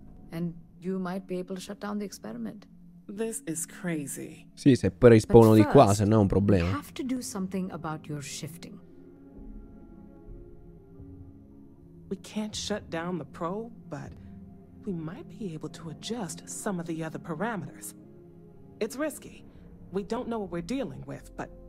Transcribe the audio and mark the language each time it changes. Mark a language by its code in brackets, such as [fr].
[en] And you might be able to shut down the experiment. This is crazy. [it] Sì, se poi rispono di qua, se no è un problema. [en] You have to do something about your shifting. We can't shut down the probe, but we might be able to adjust some of the other parameters. It's risky. We don't know what we're dealing with, but...